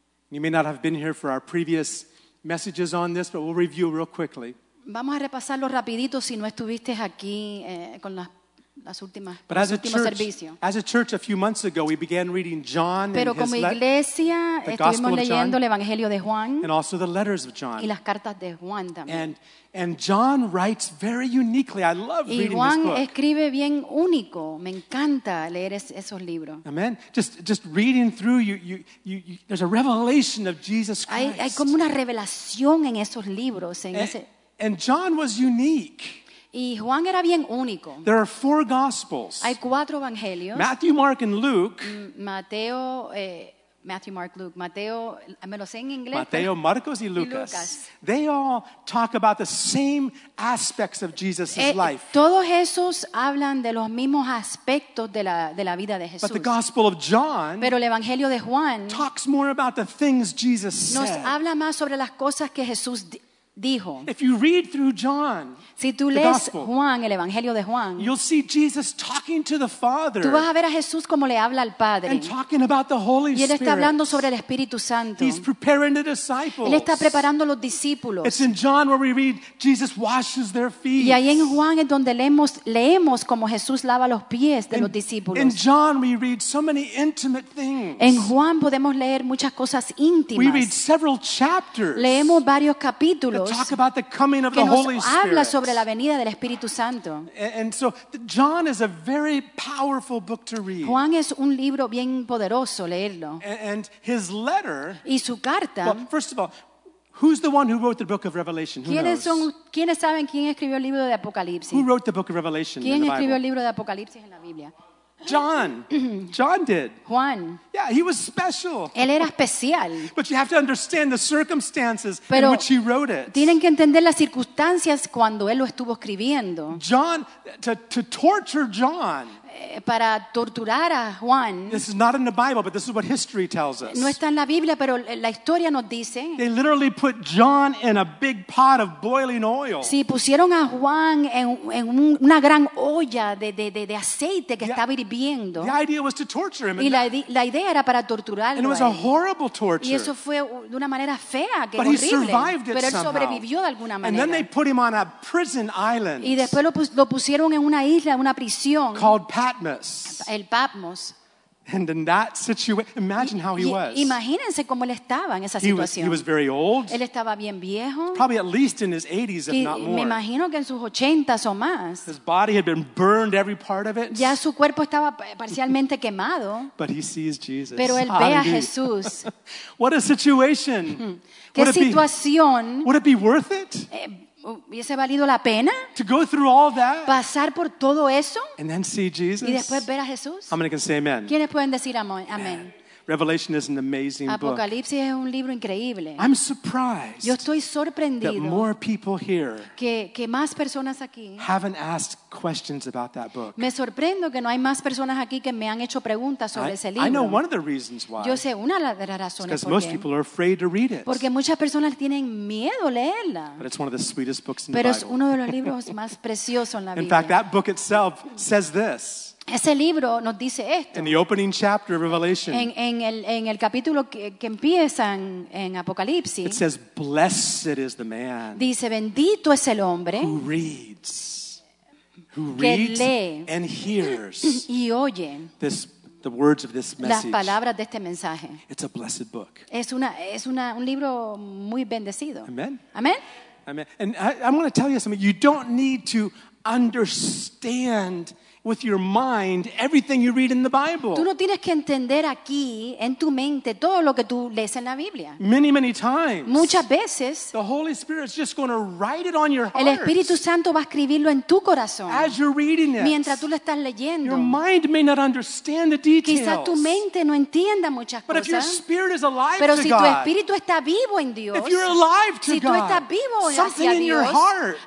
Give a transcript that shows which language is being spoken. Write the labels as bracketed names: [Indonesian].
[English] You may not have been here for our previous messages on this, but we'll review real quickly. [Spanish] Vamos a repasarlo rapidito si no estuviste aquí con las últimas. [English] But as a church, a few months ago, we began reading John. [Spanish] Pero [English] and [Spanish] como [English] his [Spanish] iglesia, estuvimos leyendo el Evangelio de Juan. [English] And also the letters of John. [Spanish] Y las cartas de Juan también. [English] And John writes very uniquely. I love reading this book. [Spanish] Y Juan escribe bien único. Me encanta leer esos libros. [English] Amen. Just reading through you there's a revelation of Jesus Christ. [Spanish] Hay como una revelación en esos libros. [English] And John was unique. [Spanish] Y Juan era bien único. [English] There are four gospels. [Spanish] Hay cuatro evangelios. [English] Matthew, Mark, and Luke. [Spanish] Mateo, Matthew, Mark, Luke. Mateo, me lo sé en inglés. Mateo, Marcos, y Lucas. [English] They all talk about the same aspects of Jesus' life. [Spanish] Todos esos hablan de los mismos aspectos de la vida de Jesús. [English] But the Gospel of John. [Spanish] Pero el Evangelio de Juan. [English] Talks more about the things Jesus said. [Spanish] Nos habla más sobre las cosas que Jesús dijo. [English] If you read through John, [Spanish] si tú lees Juan, el Evangelio de Juan, [English] you'll see Jesus talking to the Father. [Spanish] Tú vas a ver a Jesús como le habla al Padre. [English] And talking about the Holy Spirit. [Spanish] Y él está hablando sobre el Espíritu Santo. [English] He's preparing the disciples. [Spanish] Él está preparando los discípulos. [English] It's in John where we read Jesus washes their feet. [Spanish] Y ahí en Juan es donde leemos como Jesús lava los pies de los discípulos. [English] In John we read so many intimate things. [Spanish] En Juan podemos leer muchas cosas íntimas. [English] We read several chapters. [Spanish] Leemos varios capítulos. [English] Talk about the coming of the Holy Spirit. [Spanish] Habla sobre la venida del Espíritu Santo. [English] And so John is a very powerful book to read. [Spanish] Juan es un libro bien poderoso leerlo. [English] And his letter. [Spanish] Y su carta. [English] Well, first of all, who's the one who wrote the book of Revelation? Who [Spanish] ¿quiénes [English] knows? [Spanish] ¿Quiénes saben quién escribió el libro de Apocalipsis? [English] Who wrote the book of Revelation? [Spanish] ¿Quién [English] in the [Spanish] escribió [English] Bible? [Spanish] El libro de Apocalipsis en la Biblia? [English] John. John did. [Spanish] Juan. [English] Yeah, he was special. [Spanish] Él era especial. [English] But you have to understand the circumstances in which he wrote it. [Spanish] Tienen que entender las circunstancias cuando él lo estuvo escribiendo. [English] John, to torture John. [Spanish] Para torturar a Juan. [English] This is not in the Bible, but this is what history tells us. [Spanish] No está en la Biblia, pero la historia nos dice. [English] They literally put John in a big pot of boiling oil. [Spanish] Sí, pusieron a Juan en una gran olla de aceite que estaba hirviendo. [English] The idea was to torture him. [Spanish] Y la idea era para torturarlo. [English] And it was a horrible torture. [Spanish] Y eso fue de una manera fea, que [English] but [Spanish] horrible. [English] He survived it [Spanish] pero él sobrevivió [English] somehow. [Spanish] De alguna manera. [English] And then they put him on a prison island. [Spanish] Y después lo pusieron en una isla, una prisión. [English] Called Patmos. [Spanish] El Patmos. [English] And in that situation, imagine how he was. [Spanish] Imagínense cómo él estaba en esa situación. [English] He was very old. [Spanish] Él estaba bien viejo. [English] Probably at least in his 80s, if not more. [Spanish] Me imagino que en sus 80s o más. [English] His body had been burned, every part of it. [Spanish] Ya su cuerpo estaba parcialmente quemado. [English] But he sees Jesus. [Spanish] Pero él ve a Jesús. [English] What a situation. [Spanish] Qué situación. [English] Would it be worth it? [Spanish] ¿Hubiese valido la pena [English] to go through all that, [Spanish] pasar por todo eso [English] and then see Jesus? [Spanish] Y después ver a Jesús? [English] How many can say amen? [Spanish] ¿Quiénes pueden decir amén? Amen. [English] Revelation is an amazing book. [Spanish] Apocalipsis es un libro increíble. [English] I'm surprised. [Spanish] Yo estoy sorprendido. [English] That more people here [Spanish] que más personas aquí [English] haven't asked questions about that book. [Spanish] Me sorprendo que no hay más personas aquí que me han hecho preguntas sobre ese libro. [English] I know one of the reasons why. [Spanish] Yo sé una de las razones [English] because most people are afraid to read it. [Spanish] Porque muchas personas tienen miedo a leerla. [English] But it's one of the sweetest books in [Spanish] pero [English] the Bible. [Spanish] Pero es uno de los libros más preciosos en la [English] in [Spanish] Biblia. [English] In fact, that book itself says this. [Spanish] Ese libro nos dice esto. [English] In the opening chapter of Revelation, [Spanish] en el capítulo que empieza en Apocalipsis, [English] it says, "Blessed is the man." [Spanish] Dice, bendito es el hombre. [English] Who reads [Spanish] lee, [English] and hears [Spanish] y oye [English] this, the words of this message. [Spanish] Las palabras de este mensaje. [English] It's a blessed book. [Spanish] Es un libro muy bendecido. [English] Amen. Amen. Amen. And I'm going to tell you something. You don't need to understand with your mind everything you read in the Bible. [Spanish] Tú no tienes que entender aquí en tu mente todo lo que tú lees en la Biblia. [English] Many, many times. [Spanish] Muchas veces. [English] The Holy Spirit is just going to write it on your heart. [Spanish] El Espíritu Santo va a escribirlo en tu corazón. [English] As you're reading it. [Spanish] Mientras tú lo estás leyendo. [English] Your mind may not understand the details. [Spanish] Quizás tu mente no entienda muchas cosas. [English] But if your spirit is alive [Spanish] pero [English] to [Spanish] si [English] God. [Spanish] Pero si tu espíritu está vivo en Dios. [English] If you're alive to [Spanish] si Si tú estás vivo hacia Dios. [English] Something in your heart.